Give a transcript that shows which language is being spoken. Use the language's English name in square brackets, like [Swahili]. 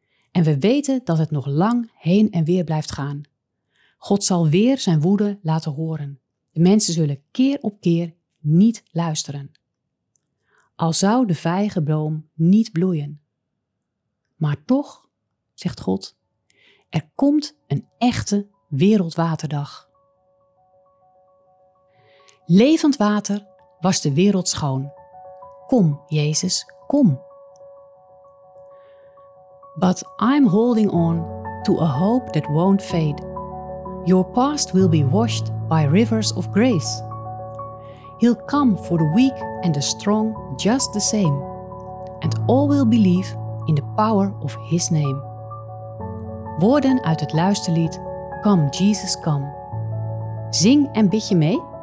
[Dutch] En we weten dat het nog lang heen en weer blijft gaan. God zal weer zijn woede laten horen. De mensen zullen keer op keer niet luisteren. Al zou de vijgenboom niet bloeien. Maar toch, zegt God, er komt een echte Wereldwaterdag. Levend water was de wereld schoon. Kom, Jezus, kom. [English] But I'm holding on to a hope that won't fade. Your past will be washed by rivers of grace. He'll come for the weak and the strong just the same. And all will believe in the power of his name. [Dutch] Woorden uit het luisterlied Come Jesus Come. Zing en bid je mee?